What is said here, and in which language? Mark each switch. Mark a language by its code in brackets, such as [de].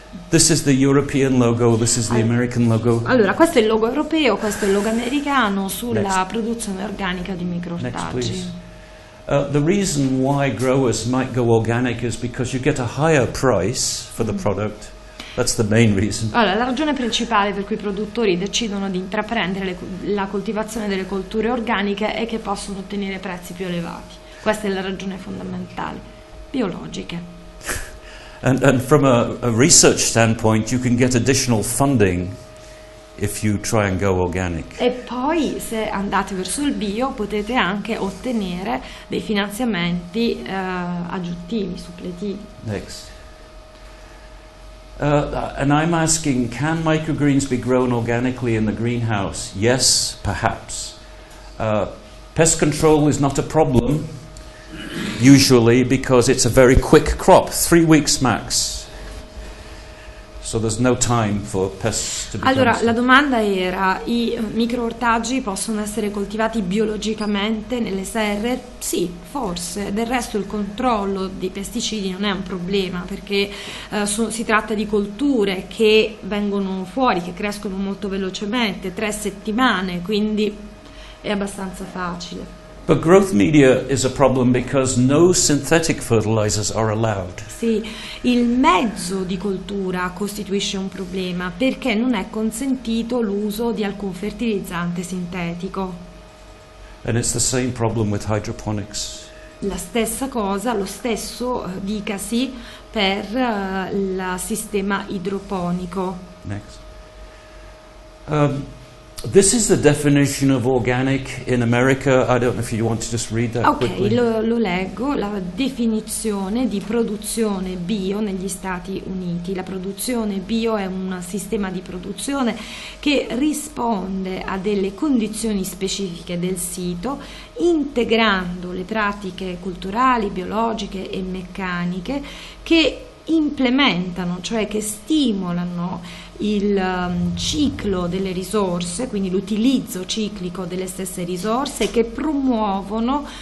[en] This is the European logo, this is the American logo. [it] Allora, questo è il logo europeo, questo è il logo americano sulla produzione organica di microortaggi. [en] Next, please. The reason why growers might go organic is because you get a higher price for the product. That's the main reason. [it] Allora, la ragione principale per cui i produttori decidono di intraprendere la coltivazione delle colture organiche è che possono ottenere prezzi più elevati. Questa è la ragione fondamentale. Biologiche. [en] And from a research standpoint, you can get additional funding if you try and go organic. [it] E poi, se andate verso il bio, potete anche ottenere dei finanziamenti aggiuntivi, suppletivi. [en] Next. And I'm asking, can microgreens be grown organically in the greenhouse? Yes, perhaps. Pest control is not a problem, usually, because it's a very quick crop, 3 weeks max. So there's no time for pests to be. [it] Allora, la domanda era, i microortaggi possono essere coltivati biologicamente nelle serre? Sì, forse. Del resto il controllo dei pesticidi non è un problema, perché si tratta di colture che vengono fuori, che crescono molto velocemente, 3 settimane, quindi è abbastanza facile. [en] But growth media is a problem because no synthetic fertilizers are allowed. [it] Sì, il mezzo di coltura costituisce un problema perché non è consentito l'uso di alcun fertilizzante sintetico. [en] And it's the same problem with hydroponics. [it] La stessa cosa, lo stesso dicasi per il sistema idroponico. [en] Next. This is the definition of organic in America. I don't know if you want to just read that quickly. [it] Okay, lo leggo. La definizione di produzione bio negli Stati Uniti. La produzione bio è un sistema di produzione che risponde a delle condizioni specifiche del sito, integrando le pratiche culturali, biologiche e meccaniche che implementano, cioè che stimolano il ciclo delle risorse, quindi l'utilizzo ciclico delle stesse risorse, che promuovono